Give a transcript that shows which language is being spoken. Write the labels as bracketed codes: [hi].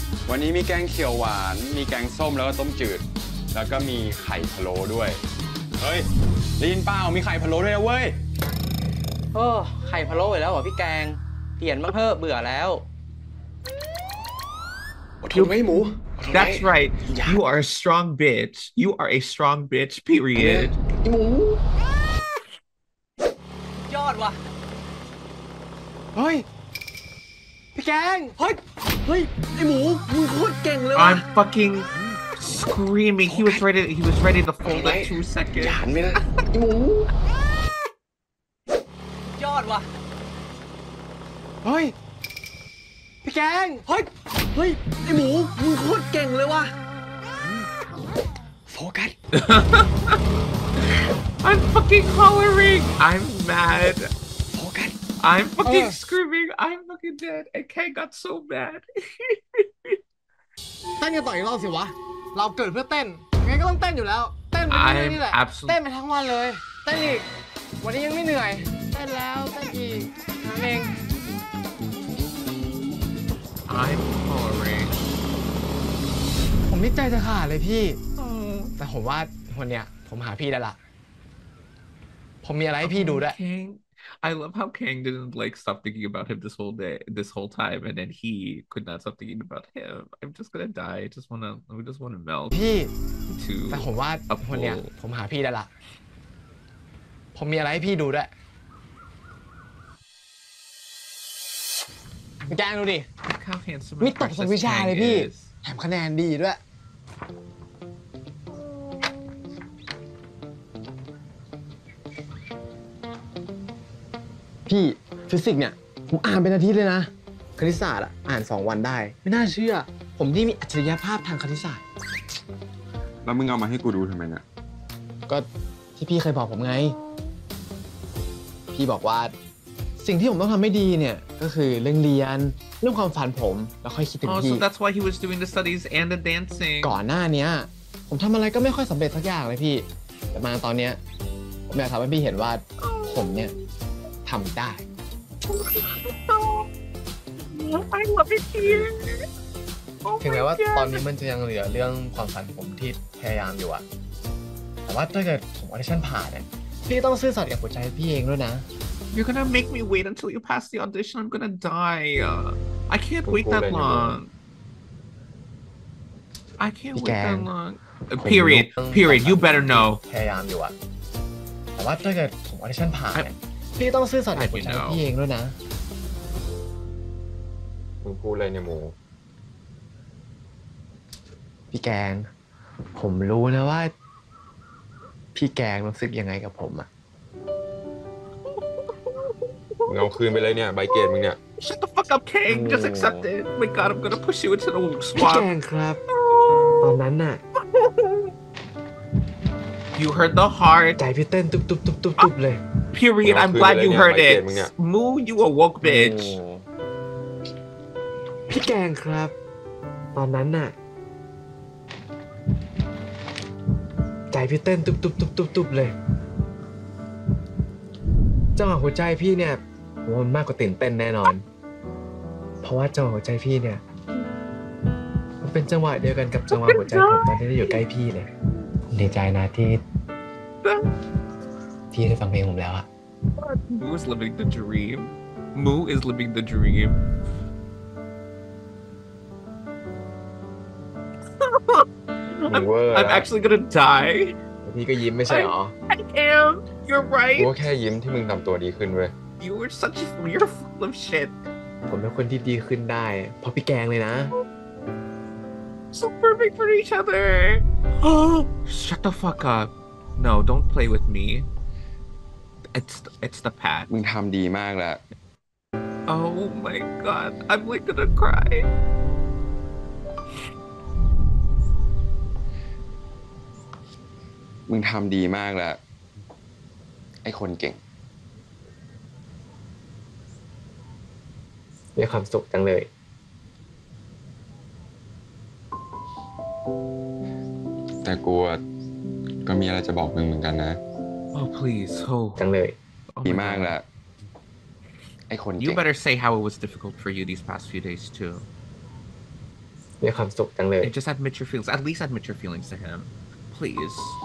[th] วันนี้มีแกงเขียวหวานมีแกงส้มแล้วก็ต้มจืดแล้วก็มีไข่พะโล้ด้วยเฮ้ยได้ยินเปล่ามีไข่พะโล้ด้วยนะเว้ย โอ้ไข่พะโล้ไปแล้วเหรอพี่แกงเปลี่ยนมาเพ้อเบื่อแล้ว โอ้ทำไมหมู [en] That's right you are a strong bitch you are a strong bitch period [th] หมู ยอดว่ะ เฮ้ยพี่แกง เฮ้ยเฮ้ยไอ้หมูมึงโคตรเก่งเลยว่ะ [en] I'm fucking screaming he was ready to fold that 2 seconds [th] อย่าหันไม่ได้ไอ้หมู ยอดว่ะ เฮ้ยพี่แกง เฮ้ ย เฮ้ยไอ้หมูมึงโคตรเก่งเลยว่ะ โฟกัส [en] I'm fucking hollering I'm madI'm fucking screaming. I'm fucking dead. And Kang got so mad. [th] เต้นกันต่ออีกรอบสิวะเราเกิดเพื่อเต้นงั้นก็ต้องเต้นอยู่แล้วเต้นไปเรื่อยๆแหละเต้นไปทั้งวันเลยเต้นอีกวันนี้ยังไม่เหนื่อยเต้นแล้วเต้นอีกทำเอง [en] I'm hollering. [th] ผมไม่ใจจะขาดเลยพี่แต่ผมว่าวันเนี้ยผมหาพี่ได้ละผมมีอะไรให้พี่ดูด้วย [en] I love how Kang didn't like stop thinking about him this whole time, and then he could not stop thinking about him. I'm just gonna die. I just wanna melt. [th] พี่ to แต่ผมว่าคนเนี้ยผมหาพี่ได้ละผมมีอะไรให้พี่ดูด้วยแกงดูดิมีตกสวิชาเลยพี่แถมคะแนนดีด้วยพี่ฟิสิกส์เนี่ยผมอ่านเป็นอาทิตย์เลยนะคณิตศาสตร์อ่าน2วันได้ไม่น่าเชื่อผมที่มีอัจฉริยภาพทางคณิตศาสตร์ แล้วมึงเอามาให้กูดูทำไมเนี่ย ก็ที่พี่เคยบอกผมไงพี่บอกว่าสิ่งที่ผมต้องทำให้ดีเนี่ยก็คือเรื่องเรียนเรื่องความฝันผมแล้วค่อยคิดถึงพี่ [en] so that's why he was doing the studies and the dancing [th] ก่อนหน้านี้ผมทำอะไรก็ไม่ค่อยสำเร็จสักอย่างเลยพี่แต่มาตอนนี้ผมอยากทำให้พี่เห็นว่าผมเนี่ยทำได้ [en] oh, I love it here [th] ถึงแม้ว่าตอนนี้มันจะยังเหลือเรื่องความฝันผมที่พยายามอยู่อะแต่ว่าถ้าเกิดผมออดิชั่นผ่านเนี่ยพี่ต้องซื่อสัตย์กับหัวใจพี่เองด้วยนะ [en] You're gonna make me wait until you pass the audition I'm gonna die I can't wait that long I can't wait that long period you better know [th] พยายามอยู่อะแต่ว่าถ้าเกิดผมออดิชั่นผ่านพี่ต้องซื่อสัตย์กับพี่เองด้วยนะ มึงพูดอะไรเนี่ยหมูี่แกงผมรู้นะว่าพี่แกงรู้สึกยังไงกับผมอะ เงาคืนไปเลยเนี่ยใบเกรดมึงเนี่ย [en] Shut the fuck up Kang just accept it My god I'm gonna push you into the swamp [th] พี่แกงครับตอนนั้นน่ะ [en] You heard the heart [th] ใจพี่เต้นตุ๊บตุ๊บตุ๊บตุ๊บตุ๊บเลย [en] Period I'm glad you heard it Moo you a woke bitch [th] พี่แกงครับตอนนั้นน่ะใจพี่เต้นตุบตุบตุบตุบตุบเลยจังหวะหัวใจพี่เนี่ยมันมากกว่าตื่นเต้นแน่นอนเพราะว่าจังหวะหัวใจพี่เนี่ยมันเป็นจังหวะเดียวกันกับจังหวะหัวใจผมตอนที่ได้อยู่ใกล้พี่เลยผมดีใจนะที่พี่ได้ฟังเพลงผมแล้วอะ [en] Moo is living the dream Moo is living the dreamI'm actually gonna die. [th] พี่ก็ยิ้มไม่ใช่หรอ [en] I am. You're right. [th] กูแค่ยิ้มที่มึงทำตัวดีขึ้นเว้ย [en] You are such a you're full of shit. [th] ผมเป็นคนที่ดีขึ้นได้เพราะพี่แกงเลยนะ [en] So perfect for each other. Shut the fuck up. No, don't play with me. It's the path. [th] มึงทำดีมากแล้ว [en] Oh my god, I'm like gonna cry. [th] มึงทำดีมากแล้วไอ้คนเก่ง มีความสุขจังเลย แต่กูก็มีอะไรจะบอกมึงเหมือนกันนะ [en] Oh please so [th] จังเลย ดีมากแล้วไอ้คนเก่ง [en] You better say how it was difficult for you these past few days too [th] มีความสุขจังเลย [en] And just admit your feelings at least admit your feelings to him please